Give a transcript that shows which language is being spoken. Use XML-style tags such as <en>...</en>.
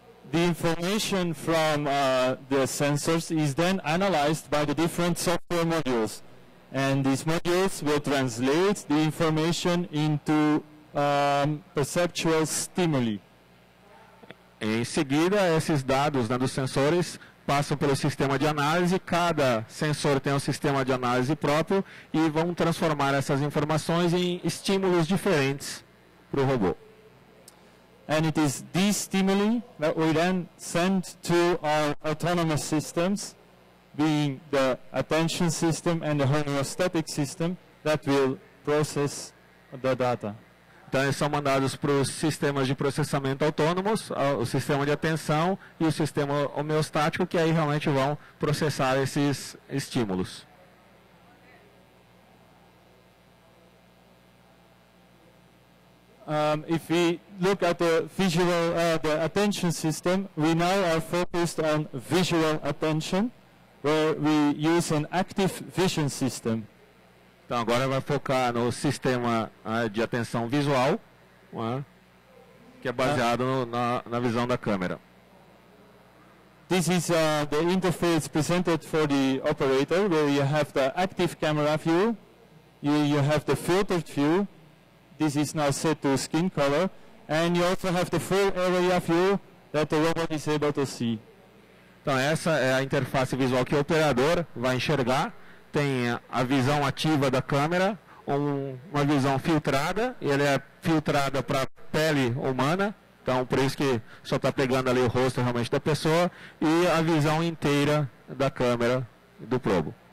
<en>The information from the sensors is then analyzed by the different software modules, and these modules will translate the information into perceptual stimuli.</en> <pt>Em seguida, esses dados, né, dos sensores passam pelo sistema de análise. Cada sensor tem um sistema de análise próprio e vão transformar essas informações em estímulos diferentes para o robô.</pt> <en>And it is these stimuli that we then send to our autonomous systems, being the attention system and the homeostatic system, that will process the data.</en> <pt>Então, eles são mandados para os sistemas de processamento autônomos, o sistema de atenção e o sistema homeostático, que aí realmente vão processar esses estímulos.</pt> <en>If we look at the visual, the attention system, we now are focused on visual attention, where we use an active vision system.</en> <pt>Então agora vai focar no sistema de atenção visual, que é baseado na visão da câmera.</pt> <en>This is the interface presented for the operator, where you have the active camera view, you have the filtered view. This is now set to skin color, and you also have the full area view that the robot is able to see.</en> <pt>Então essa é a interface visual que o operador vai enxergar. Tem a visão ativa da câmera, uma visão filtrada, e ela é filtrada para a pele humana, então por isso que só está pegando ali o rosto realmente da pessoa, e a visão inteira da câmera do probo.</pt>